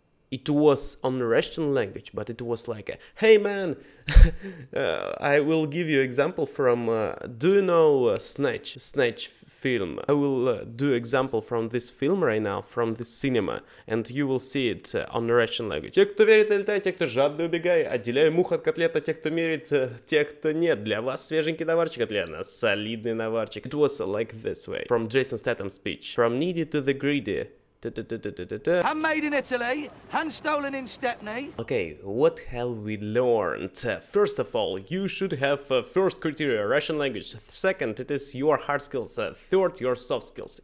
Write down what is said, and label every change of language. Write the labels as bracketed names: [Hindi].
[English] It was on Russian language, but it was like a, hey man, I will give you example from do you know Snatch film? I will do example from this film right now, from the cinema, and you will see it on Russian language. [Russian] Те, кто верит, налетай, те, кто жадный, убегай. Отделяю мух от котлет, а те, кто мерит, те, кто нет. Для вас свеженький наварчик, а для нас солидный наварчик. [English] It was like this way, from Jason Statham speech. From needy to the greedy. Handmade in Italy, hand stolen in Stepney. Okay, what have we learned? First of all, you should have first criteria, Russian language. Second, it is your hard skills. Third, your soft skills.